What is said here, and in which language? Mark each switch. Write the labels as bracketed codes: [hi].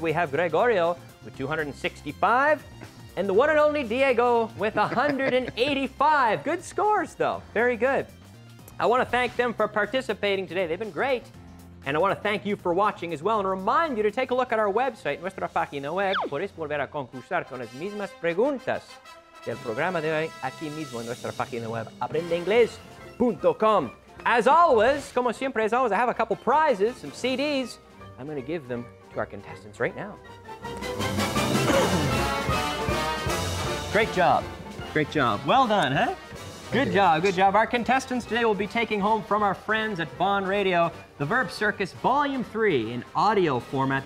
[en] We have Gregorio with 265 and the one and only Diego with 185. Good scores, though. Very good. I want to thank them for participating today. They've been great. And I want to thank you for watching as well and remind you to take a look at our website, [es] nuestra página web. Podéis volver a concursar con las mismas preguntas del programa de hoy aquí mismo en nuestra página web, aprendeinglés.com. [en] As always, [es] como siempre, [en] as always, I have a couple prizes, some CDs. I'm going to give them to our contestants right now. Great job. Great job. Well done, huh? Good job, good job. Our contestants today will be taking home from our friends at Vaughan Radio the Verb Circus Volume 3 in audio format.